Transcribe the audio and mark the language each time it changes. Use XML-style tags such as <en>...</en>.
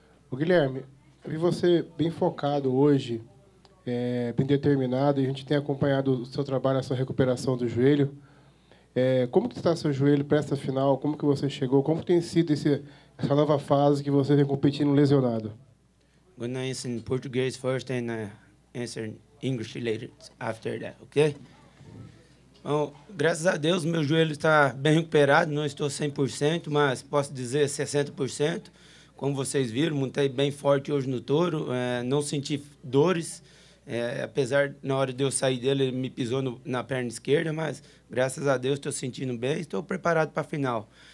<pt>O Guilherme, eu vi você bem focado hoje, bem determinado, e a gente tem acompanhado o seu trabalho, a sua recuperação do joelho. Como que está seu joelho para essa final? Como que você chegou? Como que tem sido essa nova fase que você vem competindo lesionado?</pt> <en>I'm going to answer in Portuguese first and answer in English later, after that, okay?</en> <pt>Bom, graças a Deus, meu joelho está bem recuperado, não estou 100%, mas posso dizer 60%. Como vocês viram, montei bem forte hoje no touro, não senti dores, É, apesar, na hora de eu sair dele, ele me pisou no, na perna esquerda, mas graças a Deus estou sentindo bem e estou preparado para a final.</pt>